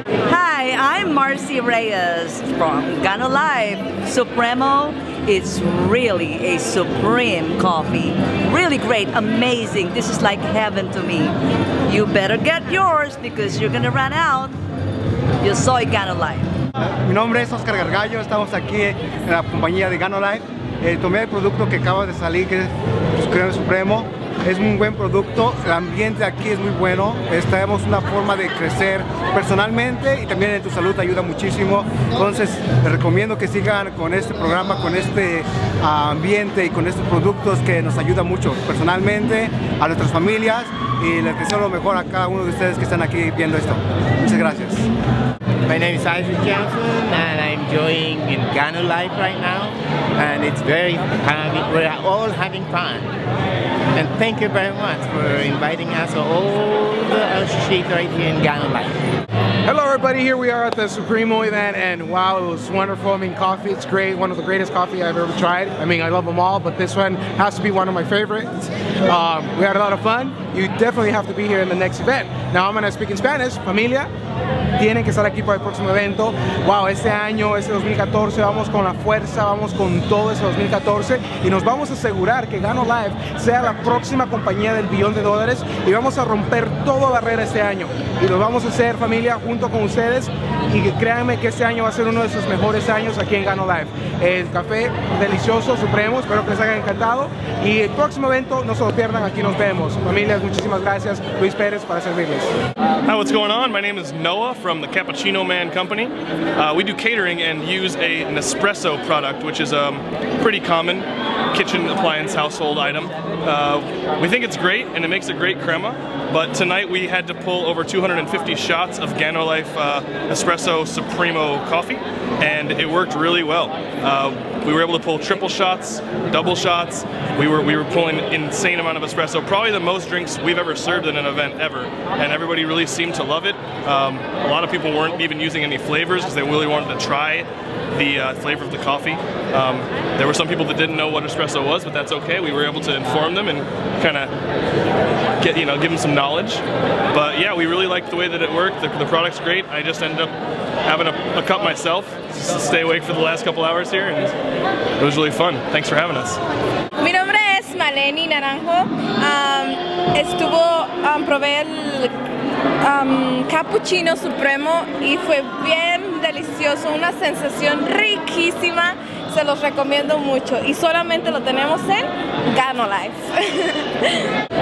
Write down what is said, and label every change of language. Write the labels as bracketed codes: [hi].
[en] Hi, I'm Marcy Reyes from Ganolife. Supremo is really a supreme coffee. Really great, amazing. This is like heaven to me. You better get yours because you're gonna run out. [es] Yo soy Ganolife. Mi nombre es Oscar Gargallo, estamos aquí en la compañía de Ganolife. Tomé el producto que acaba de salir, que es Creme Supremo. Es un buen producto, el ambiente aquí es muy bueno. Tenemos una forma de crecer personalmente y también en tu salud ayuda muchísimo. Entonces, te recomiendo que sigan con este programa, con este ambiente y con estos productos que nos ayuda mucho personalmente, a nuestras familias, y les deseo lo mejor a cada uno de ustedes que están aquí viendo esto. Muchas gracias. [en] My name is Isaac Johnson and I'm enjoying in Ganolife right now. And it's very happy. We are all having fun. And thank you very much for inviting us all the sheep right here in Ganolife. Hello everybody, here we are at the Supremo event, and wow, it was wonderful. I mean, coffee, it's great, one of the greatest coffee I've ever tried. I mean, I love them all, but this one has to be one of my favorites. We had a lot of fun. You definitely have to be here in the next event. Now I'm gonna speak in Spanish. [es] Familia, tienen que estar aquí para el próximo evento. Wow, este año, este 2014, vamos con la fuerza, vamos con todo ese 2014, y nos vamos a asegurar que Ganolife sea la próxima compañía del billón de dólares, y vamos a romper toda barrera este año. Y lo vamos a hacer, familia, junto con ustedes, y créanme que este año va a ser uno de sus mejores años aquí en Ganolife. El café delicioso, supremo, espero que les haya encantado, y el próximo evento, no se lo pierdan, aquí nos vemos. Familias, muchísimas gracias. Luis Pérez para servirles. [en] Hi, what's going on? My name is Noah from the Cappuccino Man Company. We do catering and use an espresso product, which is a pretty common kitchen appliance household item. We think it's great and it makes a great crema, but tonight we had to pull over 250 shots of Ganolife Espresso Supremo coffee, and it worked really well. We were able to pull triple shots, double shots. We were pulling an insane amount of espresso, probably the most drinks we've ever served in an event ever, and everybody really seemed to love it. A lot of people weren't even using any flavors because they really wanted to try the flavor of the coffee. There were some people that didn't know what espresso was, but that's okay. We were able to inform them and kind of get, you know, give them some knowledge. But yeah, we really liked the way that it worked. The product's great. I just ended up having a cup myself to stay awake for the last couple hours here, and it was really fun. Thanks for having us. [es] Mi nombre es Maleni Naranjo. Estuvo probé el cappuccino supremo y fue bien delicioso, una sensación riquísima. Se los recomiendo mucho y solamente lo tenemos en Ganolife.